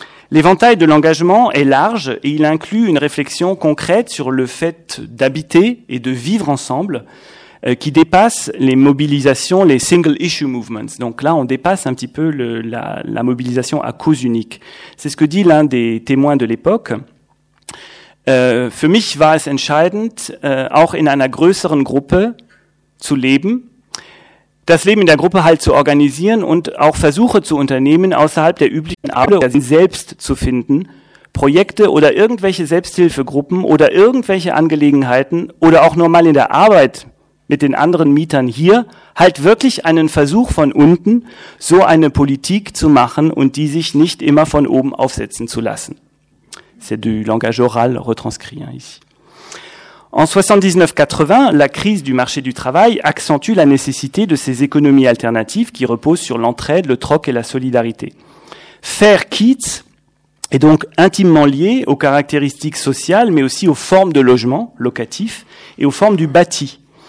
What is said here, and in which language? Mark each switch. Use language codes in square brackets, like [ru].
[fr] L'éventail de l'engagement est large et il inclut une réflexion concrète sur le fait d'habiter et de vivre ensemble, qui dépasse les mobilisations, les [en] single issue movements. [fr] Donc là, on dépasse un petit peu la mobilisation à cause unique. C'est ce que dit l'un des témoins de l'époque. [de] Für mich war es entscheidend, auch in einer größeren Gruppe zu leben, das Leben in der Gruppe halt zu organisieren und auch Versuche zu unternehmen, außerhalb der üblichen Arbeit selbst zu finden, Projekte oder irgendwelche Selbsthilfegruppen oder irgendwelche Angelegenheiten oder auch nur mal in der Arbeit mit den anderen Mietern hier, halt wirklich einen Versuch von unten, so eine Politik zu machen und die sich nicht immer von oben aufsetzen zu lassen. [fr] C'est du langage oral retranscrit hein, ici. En 79-80, la crise du marché du travail accentue la nécessité de ces économies alternatives qui reposent sur l'entraide, le troc et la solidarité. Faire Kiez est donc intimement lié aux caractéristiques sociales, mais aussi aux formes de logement locatif et aux formes du bâti.